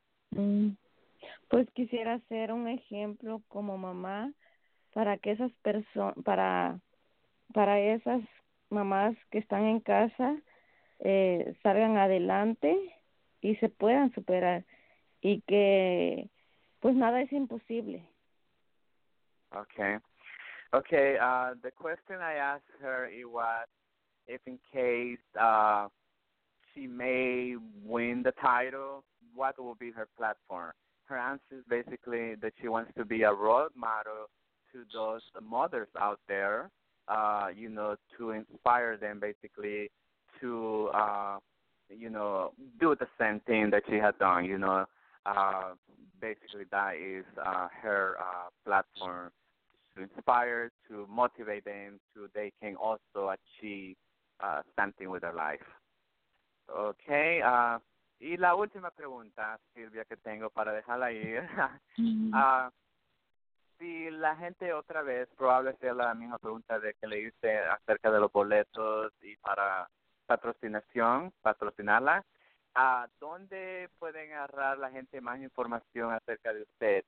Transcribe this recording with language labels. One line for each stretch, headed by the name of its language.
Spanish: Pues quisiera ser un ejemplo como mamá para que esas personas, para esas mamás que están en casa salgan adelante y se puedan superar, y que pues nada es imposible.
English: Okay. The question I asked her was if, in case she may win the title, what will be her platform? Her answer is basically that she wants to be a role model to those mothers out there, you know, to inspire them basically to, you know, do the same thing that she had done, you know. Basically, that is her platform, to inspire, to motivate them so they can also achieve something with their life. Okay.
Spanish: Y la última pregunta, Silvia, que tengo para dejarla ir. Si la gente otra vez, probable sea la misma pregunta de que le hice acerca de los boletos y para patrocinarla, ¿dónde pueden agarrar la gente más información acerca de usted?